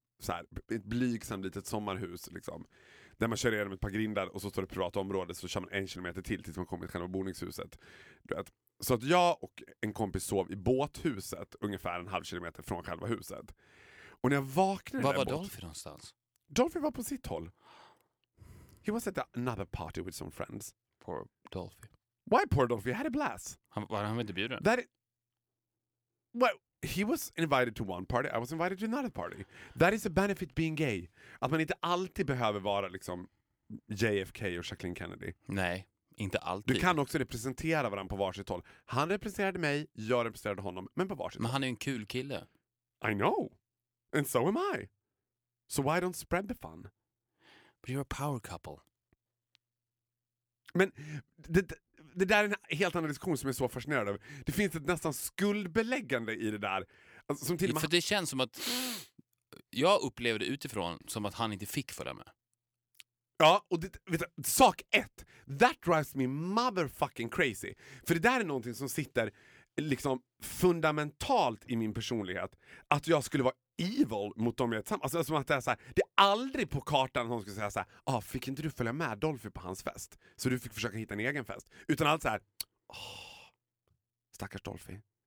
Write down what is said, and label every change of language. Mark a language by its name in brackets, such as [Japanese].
[Swedish] Så här, ett blygsamt litet sommarhus liksom, där man kör igenom ett par grindar och så står det privat område, så kör man 1 kilometer tills man kommer till själva boningshuset. Så att jag och en kompis sov i båthuset ungefär 1,5 kilometer från själva huset. Och när jag vaknade... Vad var Dolphy någonstans? Dolphy var på sitt håll. [English] He was at another party with some friends. Poor Dolphy. Why poor Dolphy? Had a blast. [Swedish] Han var inte bjuden. [English] That it... Well, he was invited to one party, I was invited to another party. That is a benefit being gay. [Swedish] Att man inte alltid behöver vara liksom JFK och Jacqueline Kennedy. Nej, inte alltid. Du kan också representera varandra på varsitt håll. Han representerade mig, jag representerade honom, men på varsitt håll. Men han är en kul kille. [English] I know. And so am I. So why don't spread the fun? But you're a power couple. [Swedish] Men det där är en helt annan diskussion som jag är så fascinerad av. Det finns ett nästan skuldbeläggande i det där. Alltså, som till och med... För det känns som att jag upplevde utifrån som att han inte fick följa med. Ja, och det, vet du, sak ett. [English] That drives me motherfucking crazy. [Swedish] För det där är någonting som sitter liksom fundamentalt i min personlighet. Att jag skulle vara evil mot dem jag är tillsammans. Alltså, som att det är så här, det är aldrig på kartan som skulle säga så här, fick inte du följa med Dolphy på hans fest? Så du fick försöka hitta en egen fest. Utan allt så här, stackars Dolphy.